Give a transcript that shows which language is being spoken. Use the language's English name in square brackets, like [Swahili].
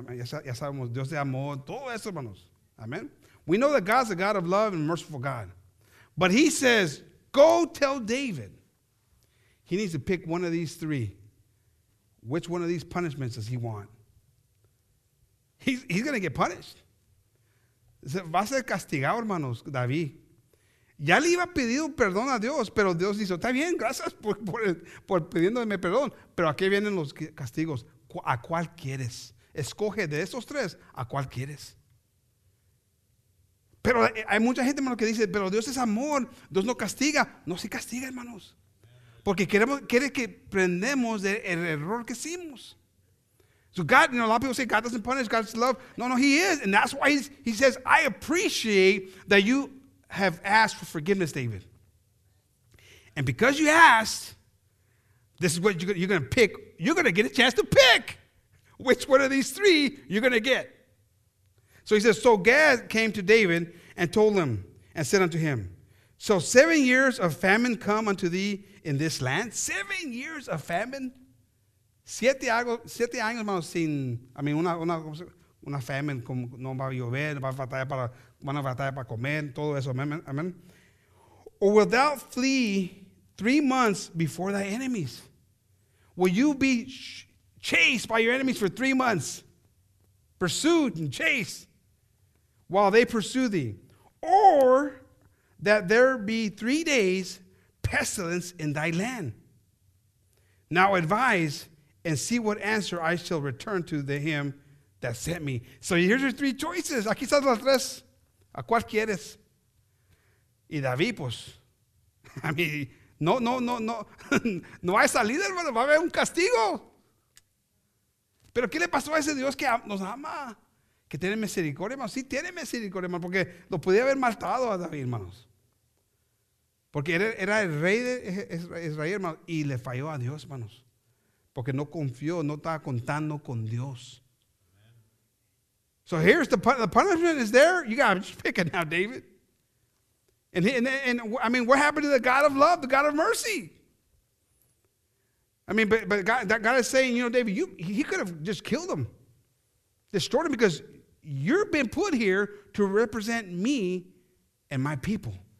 [Spanish] Ya sabemos, Dios de amor, todo eso, hermanos. Amen. [English] We know that God's a God of love and merciful God. But he says, go tell David. He needs to pick one of these three. Which one of these punishments does he want? He's going to get punished. [Spanish] Va a ser castigado, hermanos, [English] David. [Spanish] Ya le iba a pedir perdón a Dios, pero Dios dijo, está bien, gracias por pidiéndome perdón. Pero aquí vienen los castigos. ¿A cuál quieres? Escoge de esos tres, ¿a cuál quieres? Pero hay mucha gente, hermano, que dice, pero Dios es amor, Dios no castiga. No, sí castiga, hermanos. Porque quiere que aprendamos del error que hicimos. [English] So God, you know, a lot of people say God doesn't punish, God's love. No, no, he is. And that's why he says, I appreciate that you have asked for forgiveness, David. And because you asked, this is what you're going to pick. You're going to get a chance to pick which one of these three you're going to get. So he says, so Gad came to David and told him and said unto him, so 7 years of famine come unto thee in this land. 7 years of famine? [Spanish] Siete años, hermano, sin, [English] I mean, [Spanish] una famine, como no va a llover, va a batalla para, van a batalla para comer, todo eso, amen. [English] Or wilt thou flee 3 months before thy enemies? Will you be chased by your enemies for 3 months? Pursued and chased while they pursue thee. Or that there be 3 days pestilence in thy land. Now advise and see what answer I shall return to the him that sent me. So here's your three choices. [Spanish] Aquí están las tres. ¿A cuál quieres? Y David, pues, [English] I mean, [Spanish] no. No hay salida, hermano. Va a haber un castigo. ¿Pero qué le pasó a ese Dios que nos ama? Que tiene misericordia, hermano. Sí tiene misericordia, hermano, porque lo podía haber matado a David, hermanos. Porque era el rey de Israel, hermano, y le falló a Dios, hermanos. Porque no confió, no estaba contando con Dios. [English] Amen. So here's the punishment is there. You got to just pick it now, David. And I mean, what happened to the God of love, the God of mercy? I mean, but God, that God is saying, you know, David, he could have just killed him. Destroyed him because you've been put here to represent me and my people.